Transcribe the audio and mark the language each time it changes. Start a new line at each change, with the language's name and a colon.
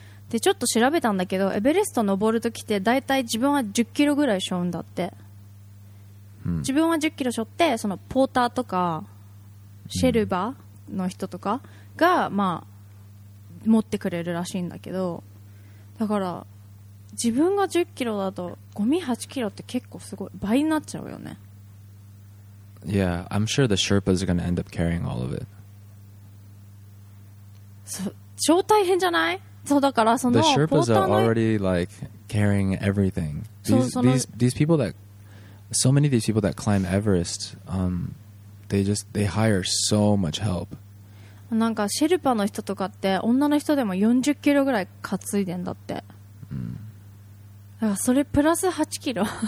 Japanese: でちょっと調べたんだけど、エベレスト登るときってだいたい自分は10キロぐらい背負うんだって、自分は10キロ背負って、そのポーターとかシェルバーの人とかが、まあ、持ってくれるらしいんだけど、だから自分が10キロだとゴミ8キロって結構すごい倍になっちゃうよね。
English: Yeah, I'm sure the Sherpas are going to end up carrying all of it.
Japanese: 超大変じゃない？そうだからその
English: ポーターの The Sherpas are already like carrying everything. These people that so many of these people that climb Everest, they hire so much help.
Japanese: なんかシェルパの人とかって女の人でも40キロぐらい担いでんだって。だからそれプラス8キロ。